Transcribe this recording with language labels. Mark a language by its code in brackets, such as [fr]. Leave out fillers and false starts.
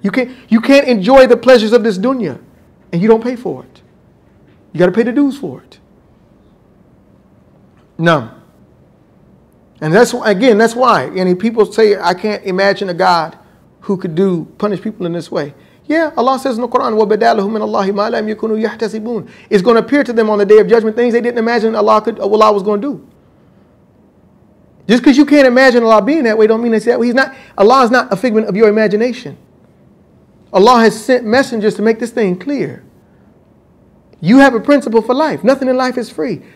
[en] You can't enjoy the pleasures of this dunya and you don't pay for it. You got to pay the dues for it. No. And that's why any people say, I can't imagine a God who could do punish people in this way. Yeah, Allah says in the Quran, [ar] وَبَدَى لَهُم مِّنَ اللَّهِ مَا لَمْ يَكُنُوا يَحْتَسِبُونَ. [en] It's going to appear to them on the day of judgment things they didn't imagine Allah was going to do. Just because you can't imagine Allah being that way don't mean it's that way. Allah is not a figment of your imagination. Allah has sent messengers to make this thing clear. You have a principle for life. Nothing in life is free.